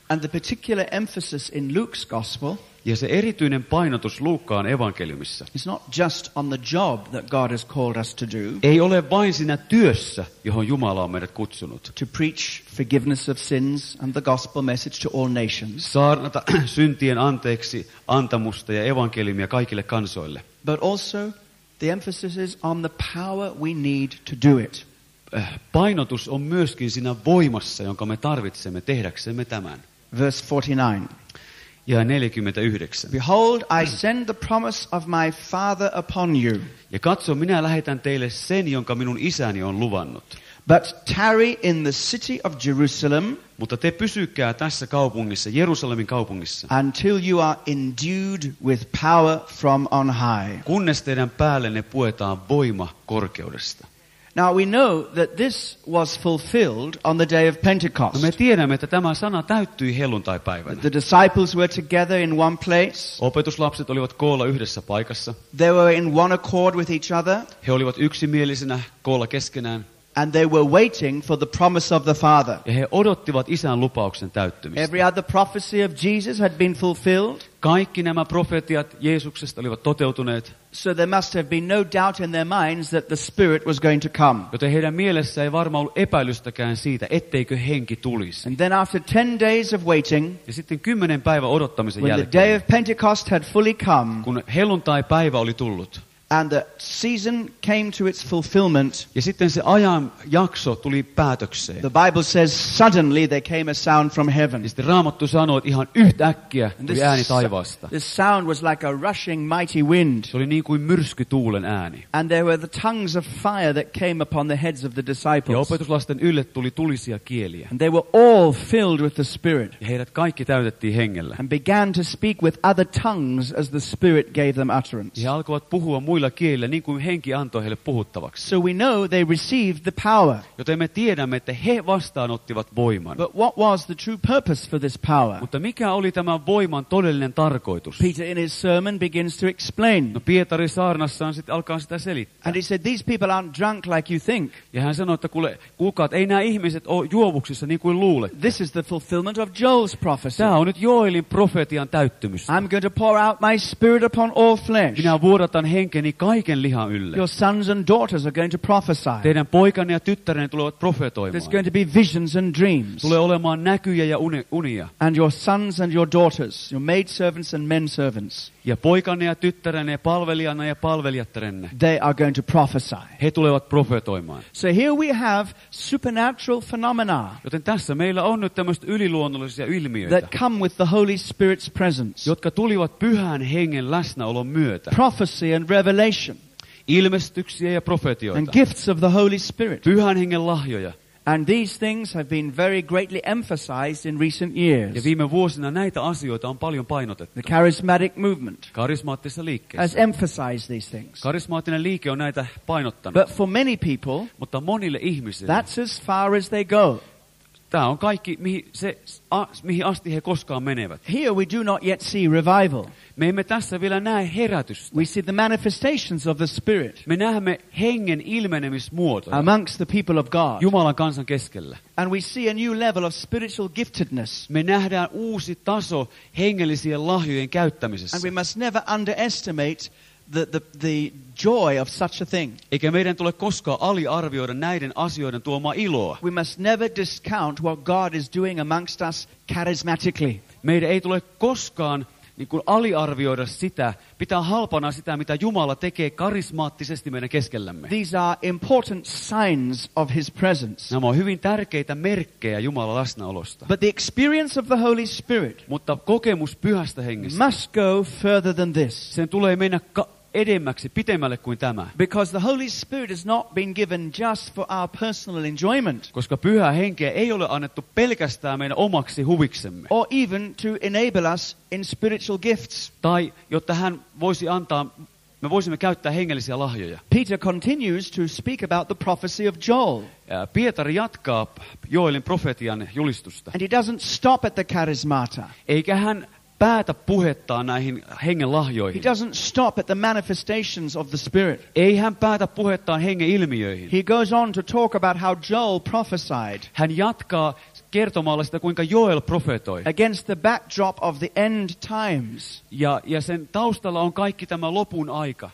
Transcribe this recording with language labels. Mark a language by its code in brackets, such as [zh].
[en] And the particular emphasis in Luke's gospel. [fi] Ja se erityinen painotus Luukkaan evankeliumissa. [en] It's not just on the job that God has called us to do. [fi] Ei ole vain siinä työssä, johon Jumala on meidät kutsunut. [en] To preach forgiveness of sins and the gospel message to all nations. [fi] Saarnata syntien anteeksi antamusta ja evankeliumia kaikille kansoille. [en] But also the emphasis is on the power we need to do it. [fi] Painotus on myöskin siinä voimassa, jonka me tarvitsemme tehdäksemme tämän. [en] Verse 49. [fi] Ja 49. [en] Behold, I send the promise of my Father upon you. [fi] Ja katso, minä lähetän teille sen, jonka minun isäni on luvannut. [en] But tarry in the city of Jerusalem. [fi] Mutta te pysykää tässä kaupungissa, Jerusalemin kaupungissa. [en] Until you are endued with power from on high. [fi] Kunnes teidän päällenne puetaan voima korkeudesta. [en] Now we know that this was fulfilled on the day of Pentecost. [fi] Me tiedämme, että tämä sana täyttyi helluntaipäivänä. [en] The disciples were together in one place. [fi] Opetuslapset olivat koolla yhdessä paikassa. [en] They were in one accord with each other. [fi] He olivat yksimielisinä koolla keskenään. [en] And they were waiting for the promise of the Father. [fi] Ja he odottivat isän lupauksen täyttymistä. [en] Every other prophecy of Jesus had been fulfilled. [fi] Kaikki nämä profetiat Jeesuksesta olivat toteutuneet. [en] So there must have been no doubt in their minds that the Spirit was going to come. [fi] Joten heidän mielessä ei varmaan ollut epäilystäkään siitä, etteikö henki tulisi. [en] And then after 10 days of waiting, [fi] ja sitten 10 päivän odottamisen jälkeen, [en] when the day of Pentecost had fully come, [fi] kun helluntaipäivä oli tullut, [en] and the season came to its fulfillment. [fi] Ja sitten se ajan jakso tuli päätökseen. [en] The Bible says suddenly there came a sound from heaven. [fi] Ja sitten Raamattu sanoo, että ihan yhtäkkiä tuli ääni taivaasta. [en] The sound was like a rushing mighty wind. [fi] Se oli niin kuin myrskytuulen ääni. [en] And there were the tongues of fire that came upon the heads of the disciples. [fi] Ja opetuslasten ylle tuli tulisia kieliä. [en] And they were all filled with the Spirit. [fi] Ja heidät kaikki täytettiin hengellä. [en] And began to speak with other tongues as the Spirit gave them utterance. [fi] Ja alkoivat puhua muilla kielillä, niin kuin henki antoi heille puhuttavaksi. [en] So we know they received the power. [fi] Joten me tiedämme, että he vastaanottivat voiman. [en] But what was the true purpose for this power? [fi] Mutta mikä oli tämän voiman todellinen tarkoitus? [en] Peter in his sermon begins to explain. [fi] No Pietari saarnassaan sitten alkaa sitä selittää. [en] And he said, these people aren't drunk like you think. [fi] Ja hän sanoi, että kuulkaat, ei nämä ihmiset ole juovuksissa niin kuin luulet. [en] This is the fulfillment of Joel's prophecy. [fi] Tämä on nyt Joelin profetian täyttymys. [en] I'm going to pour out my spirit upon all flesh. [fi] Minä vuodatan henki kaiken lihan ylle. [en] Your sons and daughters are going to prophesy. [fi] Teidän poikanne ja tyttärenne tulevat profetoimaan. [en] There's going to be visions and dreams. [fi] Tulee olemaan näkyjä ja unia. [en] And your sons and your daughters, your maid servants and men servants. [fi] Ja poikanne ja tyttärenne, palvelijanne ja palvelijattarenne. [en] They are going to prophesy. [fi] He tulevat profetoimaan. [en] So here we have supernatural phenomena. [fi] Joten tässä meillä on nyt tämmöistä yliluonnollisia ilmiöitä. [en] That come with the Holy Spirit's presence. [fi] Jotka tulivat Pyhän Hengen läsnäolon myötä. [en] Prophecy and revelation. [fi] Ilmestyksiä ja profetioita. [en] And gifts of the Holy Spirit. [fi] Pyhän Hengen lahjoja. [en] And these things have been very greatly emphasized in recent years. [fi] Ja viime vuosina näitä asioita on paljon painotettu. [en] The charismatic movement. [fi] Karismaattisessa liikkeessä. [en] Has emphasized these things. [fi] Karismaattinen liike on näitä painottanut. [en] But for many people, [fi] mutta monille ihmisille, [en] that's as far as they go. [fi] Tämä on kaikki, mihin asti he koskaan menevät. [en] Here we do not yet see revival. [fi] Me emme tässä vielä näe herätystä. [en] We see the manifestations of the Spirit. [fi] Me näemme hengen ilmenemismuotoja. [en] Amongst the people of God. [fi] Jumalan kansan keskellä. [en] And we see a new level of spiritual giftedness. [fi] Me nähdään uusi taso hengellisien lahjojen käyttämisessä. [en] And we must never underestimate the joy of such a thing. [fi] Eikä meidän tule koskaan aliarvioida näiden asioiden tuomaa iloa. [en] We must never discount what God is doing amongst us charismatically. [fi] Meidän ei tule koskaan niin kuin aliarvioida sitä, pitää halpana sitä, mitä Jumala tekee karismaattisesti meidän keskellämme. [en] These are important signs of his presence. [fi] Nämä on hyvin tärkeitä merkkejä Jumalan läsnäolosta. [en] But the experience of the Holy Spirit, [fi] mutta kokemus Pyhästä Hengestä, [en] must go further than this. [fi] Sen tulee mennä edemmäksi, pitemmälle kuin tämä. [en] Because the Holy Spirit has not been given just for our personal enjoyment. [fi] Koska Pyhä Henki ei ole annettu pelkästään meidän omaksi huviksemme. [en] Or even to enable us in spiritual gifts. [fi] Tai jotta hän voisi antaa, me voisimme käyttää hengellisiä lahjoja. [en] Peter continues to speak about the prophecy of Joel. [fi] Pietari jatkaa Joelin profetian julistusta. [en] And he doesn't stop at the charismata. [fi] Eikä hän päätä puhettaan näihin hengen lahjoihin. [en] He doesn't stop at the manifestations of the Spirit. [fi] Ei hän päätä puhettaan hengen ilmiöihin. [en] He goes on to talk about how Joel prophesied. [fi] Hän jatkaa kertomalla sitä, kuinka Joel profetoi. [en] Against the backdrop of the end times. [fi] Ja sen taustalla on kaikki tämä lopun aika.